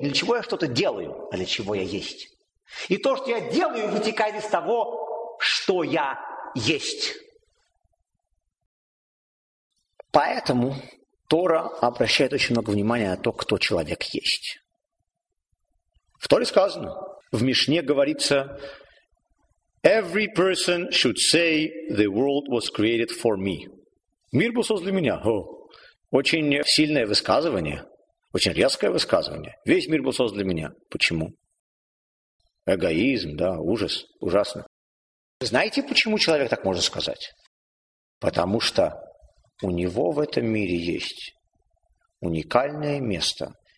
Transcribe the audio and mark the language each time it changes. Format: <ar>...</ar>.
<ru>Не для чего я что-то делаю, а для чего я есть. И то, что я делаю, вытекает из того, что я есть. Поэтому Тора обращает очень много внимания на то, кто человек есть. В Торе сказано, в Мишне говорится:</ru> <en>Every person should say, the world was created for me.</en> <ru>Мир был создан для меня. О, очень сильное высказывание, очень резкое высказывание. Весь мир был создан для меня. Почему? Эгоизм, да, ужас, ужасно. Знаете, почему человек так может сказать? Потому что у него в этом мире есть уникальное место.</ru>